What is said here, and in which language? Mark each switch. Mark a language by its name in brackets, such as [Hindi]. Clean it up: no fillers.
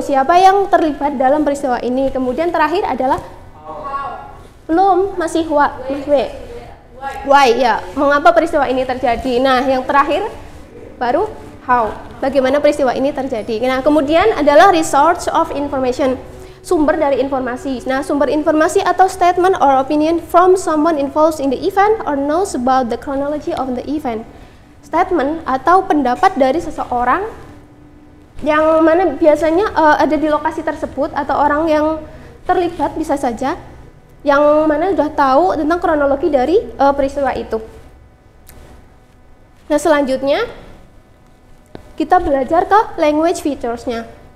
[Indonesian] Siapa yang terlibat dalam peristiwa ini? Kemudian terakhir adalah? [English] How? [Indonesian] Belum, masih what? [English] Why, [Indonesian] ya, mengapa peristiwa ini terjadi. Nah, yang terakhir baru how, bagaimana peristiwa ini terjadi. Nah, kemudian adalah resource of information, sumber dari informasi. Nah, sumber informasi atau [English] statement or opinion from someone involved in the event or knows about the chronology of the event. [Indonesian] Statement atau pendapat dari seseorang yang mana biasanya ada di lokasi tersebut atau orang yang terlibat, bisa saja yang mana sudah tahu tentang kronologi dari peristiwa itu. Nah, selanjutnya kita belajar ke language features-nya.